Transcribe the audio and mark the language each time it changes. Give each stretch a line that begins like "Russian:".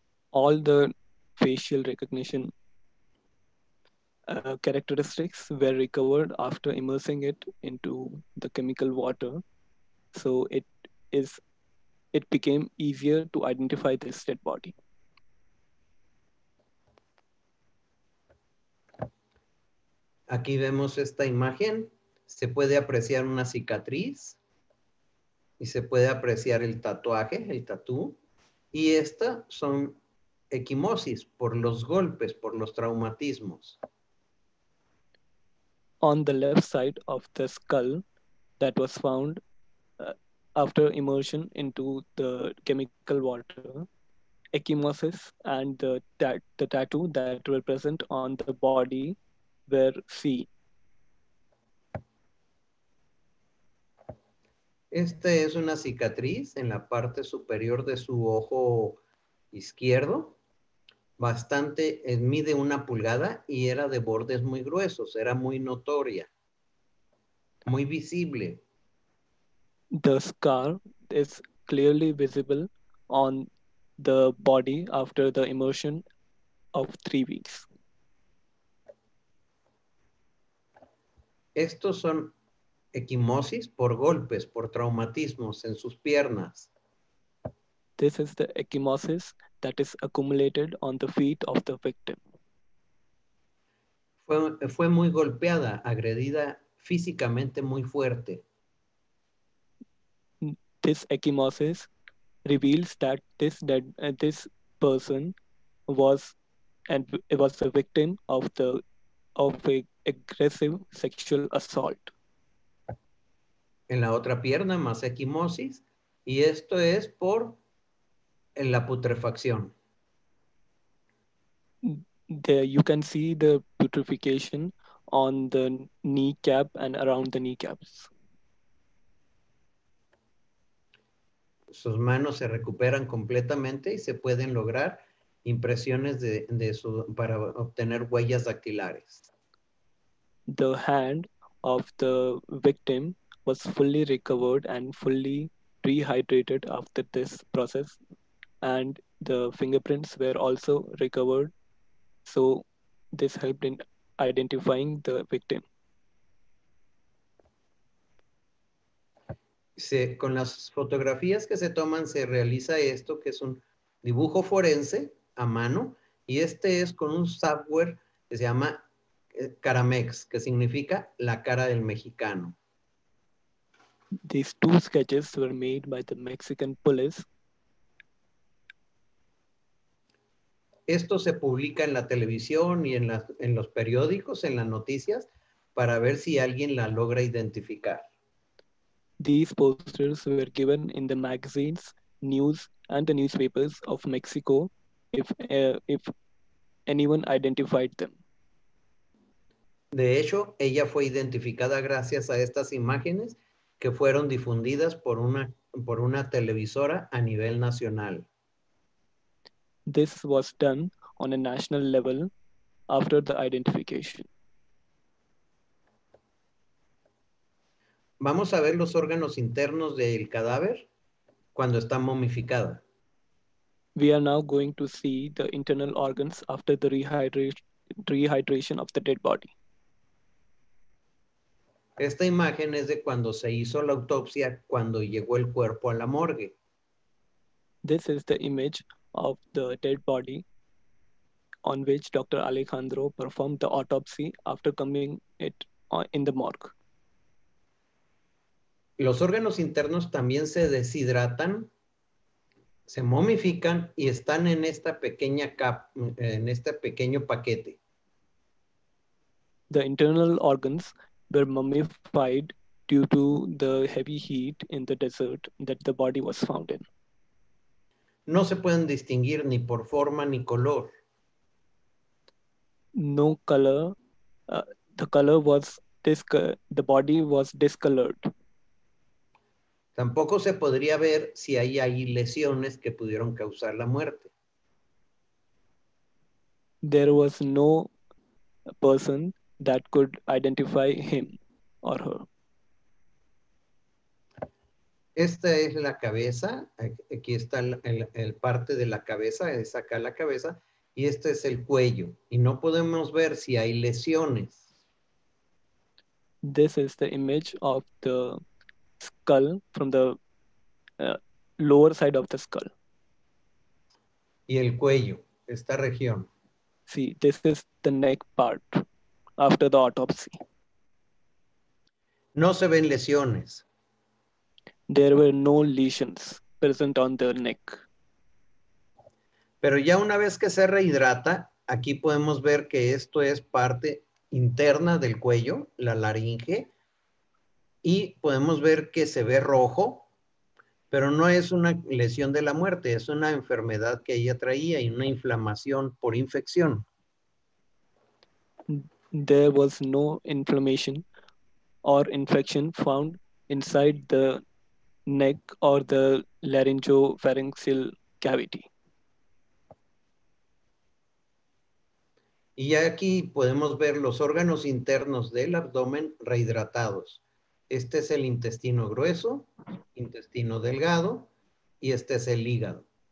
English: All the facial recognition characteristics were recovered after immersing it into the chemical water. So it became easier to identify this dead body.
Spanish: Aquí vemos esta imagen. Se puede apreciar una cicatriz y se puede apreciar el tatuaje, el tatú. Y estas son equimosis por los golpes, por los traumatismos.
English: On the left side of the skull that was found after immersion into the chemical water, ecchymosis and the tattoo that were present on the body were seen.
Spanish: Esta es una cicatriz en la parte superior de su ojo izquierdo. Bastante, mide una pulgada y era de bordes muy gruesos, era muy notoria, muy visible.
English: The scar is clearly visible on the body after the immersion of 3 weeks.
Spanish: Estos son ecchymosis por golpes, por traumatismos en sus piernas.
English: This is the ecchymosis that is accumulated on the feet of the victim.
Spanish: Fue muy golpeada, agredida físicamente muy fuerte.
English: This ecchymosis reveals that this person was a victim of a aggressive sexual assault.
Spanish: En la otra pierna más ecchymosis, y esto es por en la putrefacción.
English: There you can see the putrefaction on the kneecap and around the kneecaps.
Spanish: Sus manos se recuperan completamente y se pueden lograr impresiones para obtener huellas dactilares.
English: The hand of the victim was fully recovered and fully rehydrated after this process. And the fingerprints were also recovered. So this helped in identifying the victim.
Spanish: Sí, con las fotografías que se toman, se realiza esto, que es un dibujo forense a mano. Y este es con un software que se llama Caramex, que significa la cara del mexicano.
English: These two sketches were made by the Mexican police.
Spanish: Esto se publica en la televisión y en los periódicos, en las noticias, para ver si alguien la logra identificar.
English: These posters were given in the magazines, news, and the newspapers of Mexico if anyone identified them.
Spanish: De hecho, ella fue identificada gracias a estas imágenes que fueron difundidas por una televisora a nivel nacional.
English: This was done on a national level after the identification.
Spanish: Vamos a ver los órganos internos del cadáver cuando está momificada.
English: We are now going to see the internal organs after the rehydration of the dead body.
Spanish: Esta imagen es de cuando se hizo la autopsia cuando llegó el cuerpo a la morgue.
English: This is the image of the dead body on which Dr. Alejandro performed the autopsy after coming it in the morgue.
Spanish: Los órganos internos también se deshidratan, se momifican y están en esta pequeña en este pequeño paquete.
English: The internal organs were mummified due to the heavy heat in the desert that the body was found in.
Spanish: No se pueden distinguir ni por forma ni color.
English: No color. The body was discolored.
Spanish: Tampoco se podría ver si hay lesiones que pudieron causar la muerte.
English: There was no person that could identify him or her.
Spanish: Esta es la cabeza. Aquí está el parte de la cabeza. Es acá la cabeza. Y este es el cuello. Y no podemos ver si hay lesiones.
English: This is the image of the skull from the lower side of the skull.
Spanish: Y el cuello, esta región.
English: Sí, this is the neck part after the autopsy.
Spanish: No se ven lesiones.
English: There were no lesions present on the neck.
Spanish: Pero ya una vez que se rehidrata, aquí podemos ver que esto es parte interna del cuello, la laringe, y podemos ver que se ve rojo, pero no es una lesión de la muerte, es una enfermedad que ella traía y una inflamación por infección.
English: There was no inflammation or infection found inside the neck or the laryngopharyngeal cavity.
Spanish: Y aquí podemos ver los órganos internos del abdomen rehidratados. Este es el intestino grueso, intestino delgado, y este es el hígado.